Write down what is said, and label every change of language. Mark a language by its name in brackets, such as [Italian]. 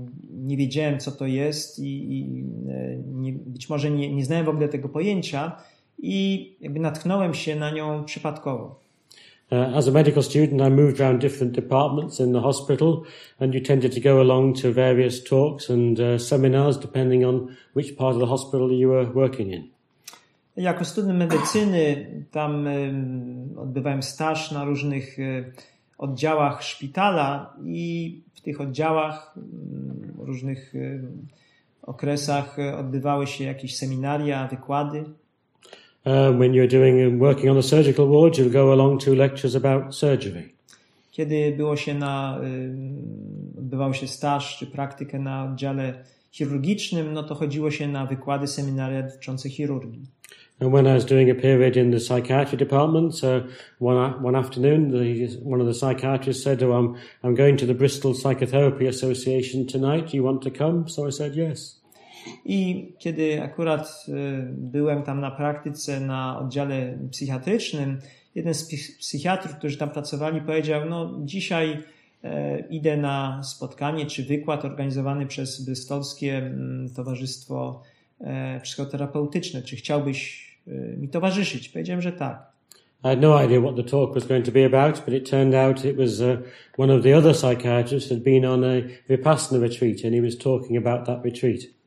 [Polish] Nie wiedziałem, co to jest i być może nie znałem w ogóle tego pojęcia i jakby natknąłem się na nią przypadkowo. [English] As a medical student, I moved around different departments in the hospital and you tended to go along to various talks and seminars depending on which part of the hospital you were working in. [Polish] Jako student medycyny tam odbywałem staż na różnych oddziałach szpitala i w tych oddziałach, w różnych okresach odbywały się jakieś seminaria, wykłady. [English] When you're doing and working on a surgical ward, you'll go along to lectures about surgery. [Polish] Kiedy było się na odbywał się staż czy praktykę na oddziale chirurgicznym, no to chodziło się na wykłady, seminaria dotyczące chirurgii. [English] And when I was doing a period in the psychiatry department, so one afternoon, one of the psychiatrists said, "Oh, I'm going to the Bristol Psychotherapy Association tonight. You want to come?" So I said, "Yes." [Polish] I kiedy akurat byłem tam na praktyce na oddziale psychiatrycznym, jeden z psychiatrów, którzy tam pracowali, powiedział: "No, dzisiaj idę na spotkanie czy wykład organizowany przez Bristolskie Towarzystwo Psychoterapeutyczne. Czy chciałbyś mi towarzyszyć?" Powiedziałem, że tak. [English] I had no idea what the talk was going to be about, but it turned out it was one of the other psychiatrists had been on a Vipassana retreat and he was talking about that retreat.